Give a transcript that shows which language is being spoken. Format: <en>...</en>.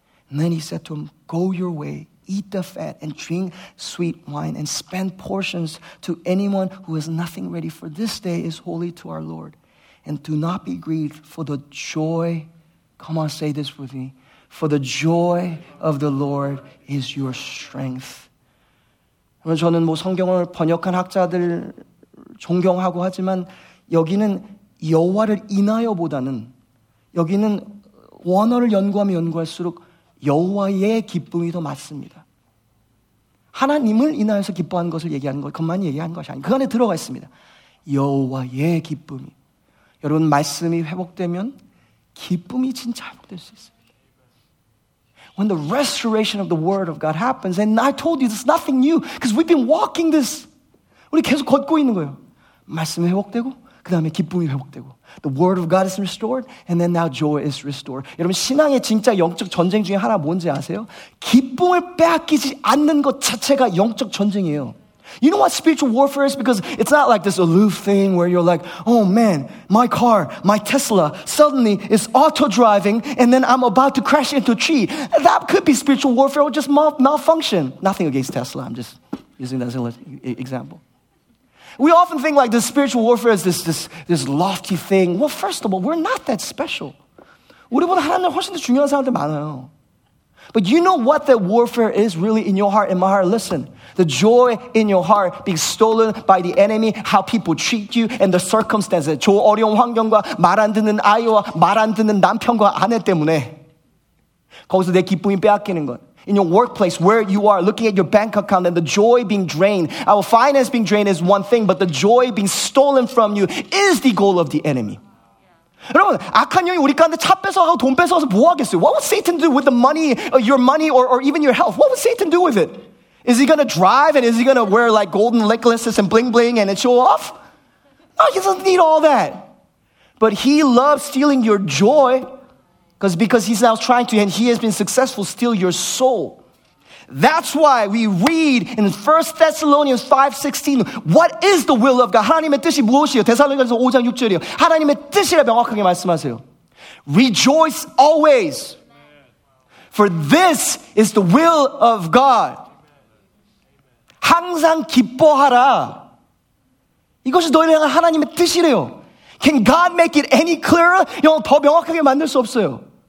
<en>And then he said to them, "Go your way, eat the fat, and drink sweet wine, and spend portions to anyone who has nothing ready, for this day is holy to our Lord. And do not be grieved, for the joy," come on, say this with me, "for the joy of the Lord is your strength."</en> <ko>저는 뭐 성경을 번역한 학자들 존경하고 하지만 여기는 여호와를 인하여보다는 여기는 원어를 연구하면 연구할수록 여호와의 기쁨이 더 맞습니다. 하나님을 인하여서 기뻐하는 것을 얘기하는 것, 그것만 얘기하는 것이 아니고 그 안에 들어가 있습니다. 여호와의 기쁨이. 여러분, 말씀이 회복되면 기쁨이 진짜 회복될 수 있어요.</ko> <en>When the restoration of the word of God happens, and I told you this is nothing new, because we've been walking this.</en> <ko>우리 계속 걷고 있는 거예요. 말씀이 회복되고, 그 다음에 기쁨이 회복되고.</ko> <en>The word of God is restored, and then now joy is restored.</en> <ko>여러분, 신앙의 진짜 영적 전쟁 중에 하나 뭔지 아세요? 기쁨을 빼앗기지 않는 것 자체가 영적 전쟁이에요.</ko> <en>You know what spiritual warfare is? Because it's not like this aloof thing where you're like, "Oh man, my car, my Tesla, suddenly it's auto-driving and then I'm about to crash into a tree." That could be spiritual warfare or just malfunction. Nothing against Tesla. I'm just using that as an example. We often think like the spiritual warfare is this lofty thing. Well, first of all, we're not that special.</en> <ko>우리보다 하나님 훨씬 더 중요한 사람들 많아요.</ko> <en>But you know what that warfare is really in your heart, in my heart? Listen. The joy in your heart being stolen by the enemy, how people treat you, and the circumstances.</en> <ko>저 어려운 환경과 말 안 듣는 아이와 말 안 듣는 남편과 아내 때문에 거기서 내 기쁨이 빼앗기는 것.</ko> <en>In your workplace, where you are, looking at your bank account, and the joy being drained, our finance being drained is one thing, but the joy being stolen from you is the goal of the enemy.</en> <ko>여러분, 악한 영이 우리 가운데 차 뺏어가고 돈 뺏어가서 뭐 하겠어요?</ko> <en>What would Satan do with the money, your money, or even your health? What would Satan do with it? Is he going to drive and is he going to wear like golden necklaces and bling bling and show off? No, he doesn't need all that. But he loves stealing your joy because he's now trying to, and he has been successful, steal your soul. That's why we read in 1 Thessalonians 5:16, what is the will of God?</en> <ko>하나님의 뜻이 무엇이에요? 데살로니가전서 5장 6절이에요. 하나님의 뜻이라 명확하게 말씀하세요. Rejoice always, for this is the will of God. 항상 기뻐하라. 이것이 너희에게 하나님의 뜻이래요.</ko> <en>Can God make it any clearer?</en> <ko>영어 더 명확하게 만들 수 없어요.</ko>